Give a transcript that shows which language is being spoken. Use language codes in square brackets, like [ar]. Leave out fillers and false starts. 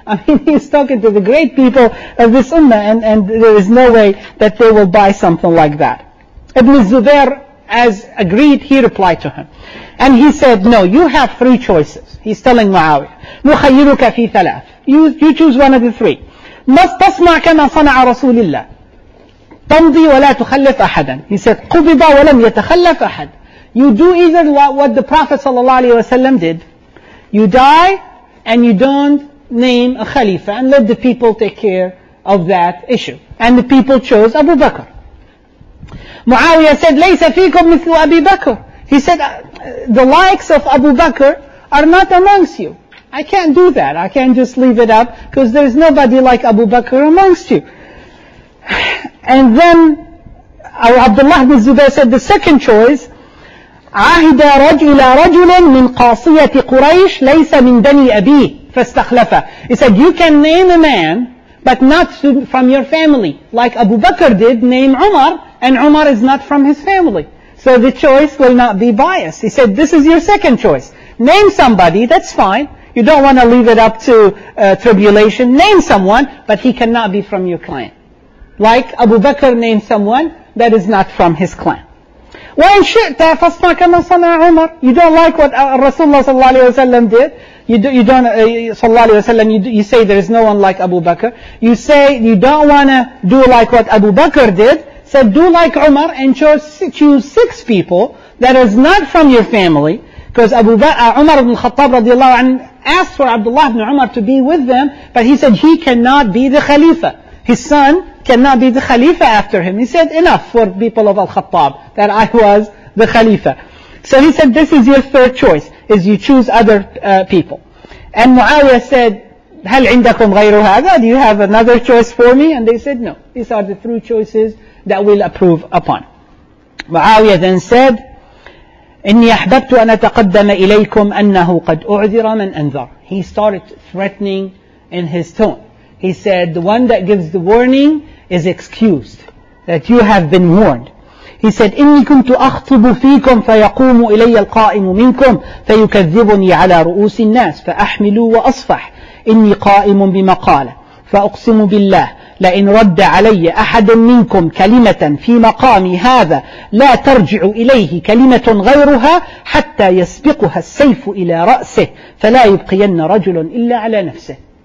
[en] I mean, he's talking to the great people of this ummah, and there is no way that they will buy something like that. Ibn Zubair as agreed, he replied to him. And he said, no, you have three choices. He's telling Muawiyah, [ar] مُخَيِّرُكَ فِي ثَلَاثٍ. [en] You choose one of the three. [ar] مَسْتَصْمَعْ كَمَا صَنَعَ رَسُولِ اللَّهِ. تَمْضِي وَلَا تُخَلِّفْ أَحَدًا. [en] He said, [ar] قُبِضَ وَلَمْ يَتَخَلَّفْ أَحَدًا. [en] You do either what the Prophet ﷺ did. You die and you don't name a Khalifa and let the people take care of that issue. And the people chose Abu Bakr. Muawiyah said, [ar] لَيْسَ فِيكُمْ مِثْلُ أَبِي بَكْرِ. [en] He said, the likes of Abu Bakr are not amongst you. I can't do that. I can't just leave it up because there's nobody like Abu Bakr amongst you. And then Abdullah bin Zubair said the second choice, [ar] عَهِدَ رَجْلَ رَجْلٍ مِنْ قَاصِيَةِ قُرَيْشِ لَيْسَ مِنْ بَنِي أَبِيهِ فَاسْتَخْلَفَ. [en] He said, you can name a man, but not from your family. Like Abu Bakr did, name Umar, and Umar is not from his family. So the choice will not be biased. He said, this is your second choice. Name somebody, that's fine. You don't want to leave it up to tribulation. Name someone, but he cannot be from your clan. Like Abu Bakr named someone that is not from his clan. [ar] وَإِنْ شِئْتَ فَصْنَعْ كَمَا صَنَعَ عُمَرُ. [en] You don't like what Rasulullah صلى الله عليه وسلم did. You say there is no one like Abu Bakr. You say you don't want to do like what Abu Bakr did. So do like Umar and choose six people that is not from your family. Because Umar ibn Khattab radiallahu anh asked for Abdullah ibn Umar to be with them, but he said he cannot be the Khalifa. His son cannot be the Khalifa after him. He said, enough for people of Al-Khattab that I was the Khalifa. So he said, this is your third choice, is you choose other people. And Muawiyah said, [ar] هَلْ عِنْدَكُمْ غَيْرُ هَذَا? [en] Do you have another choice for me? And they said, no. These are the three choices that we'll approve upon. Muawiyah then said, [ar] إِنِّي أَحْبَبْتُ أَنَ تَقَدَّمَ إِلَيْكُمْ أَنَّهُ قَدْ أُعْذِرَ مَنْ أَنْذَرَ. [en] He started threatening in his tone. He said, the one that gives the warning is excused, that you have been warned. He said, [ar] إِنِّي كُنْتُ أَخْطُبُ فِيكُمْ فَيَقُومُ إِلَيَّ الْقَائِمُ مِنْكُمْ فَيُكَذِّبُنِي عَلَى رُؤُوسِ النَّاسِ فَأَحْمِلُوا وَأَصْفَحْ إِنِّي قَائِمٌ بِمَقَالَةٍ فَأُقْسِمُ بِاللَّهِ لَإِنْ رَدَّ عَلَيَّ أَحَدٌ مِّنْكُمْ كَلِمَةً فِي مَقَامِ هَذَا لَا تَرْجِعُ إِلَيْهِ كَلِمَةٌ غَيْرُهَا حَتَّى يَسْبِقُهَا السَّيْفُ إِلَى رَأْسِهِ فَلَا يُبْقِيَنَّ رَجُلٌ إِلَّا عَلَى نَفْسِهِ.